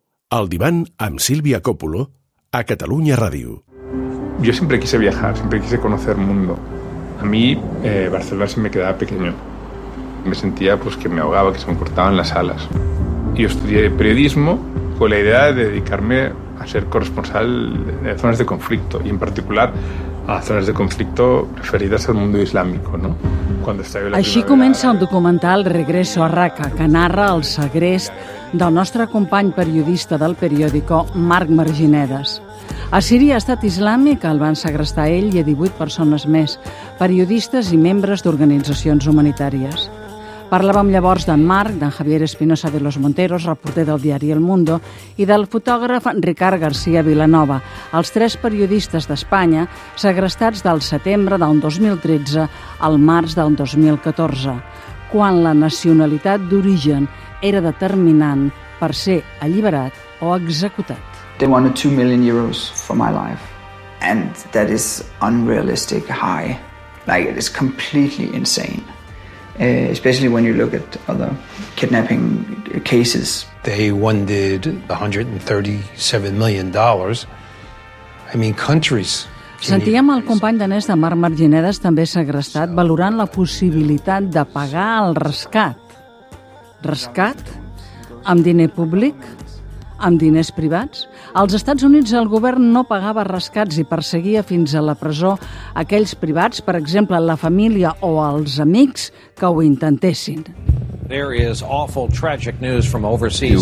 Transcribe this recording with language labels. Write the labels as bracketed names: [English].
[Catalan] El divan amb Sílvia Còpulo a Catalunya Ràdio. [Spanish] Yo siempre quise viajar, siempre quise conocer mundo. A mí Barcelona se me quedaba pequeño. Me sentía pues que me ahogaba, que se me cortaban las alas. Y yo estudié periodismo con la idea de dedicarme a ser corresponsal de zonas de conflicto y en particular a [Catalan] zones de conflicte referides al món islàmic, [Spanish] no? [Catalan] Quan estava la Així comença el documental Regreso a Raqqa, que narra el segrest del nostre company periodista del periòdico, Marc Marginedes. A Síria, Estat Islàmic, el van segrestar ell i a 18 persones més, periodistes i membres d'organitzacions humanitàries. Parlàvem llavors d'en Marc, d'en Javier Espinosa de los Monteros, reporter del diari El Mundo, i del fotògraf Ricard García Vilanova, els tres periodistes d'Espanya segrestats del setembre del 2013 al març del 2014, quan la nacionalitat d'origen era determinant per ser alliberat o executat. [English] They wanted 2 million euros for my life, and that is unrealistic high. Like, it is completely insane. Especially when you look at other kidnapping cases. They wanted $137 million. I mean, countries... [Catalan] Sentíem el company danès de Marc Marginedes, també segrestat, valorant la possibilitat de pagar el rescat. Rescat? Amb diner públic? Amb diners privats? Als Estats Units el govern no pagava rescats i perseguia fins a la presó aquells privats, per exemple, la família o els amics, que ho intentessin. [English] There is awful tragic news from overseas.